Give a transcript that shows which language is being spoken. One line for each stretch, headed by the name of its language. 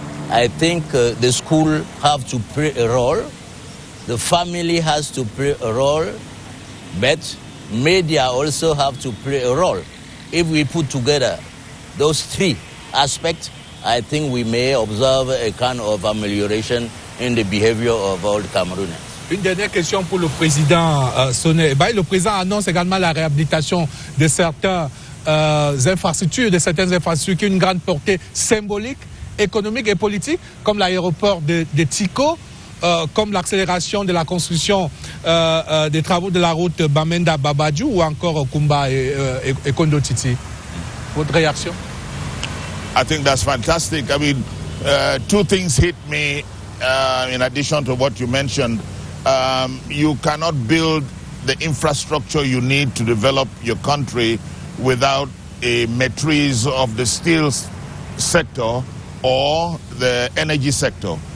English: I think the school have to play a role. The family has to play a role. But media also have to play a role. If we put together those three aspects, I think we may observe a kind of amelioration in the behavior of old Cameroonians.
French: Une dernière question pour le président Sonné. Eh bien, le président annonce également la réhabilitation de certaines infrastructures qui ont une grande portée symbolique, économique et politique, comme l'aéroport de Tiko, comme l'accélération de la construction des travaux de la route Bamenda-Babadjou ou encore Kumba et Kondo-Titi. Votre réaction?
English: I think that's fantastic. I mean, two things hit me in addition to what you mentioned. You cannot build the infrastructure you need to develop your country without a matrix of the steels sector or the energy sector.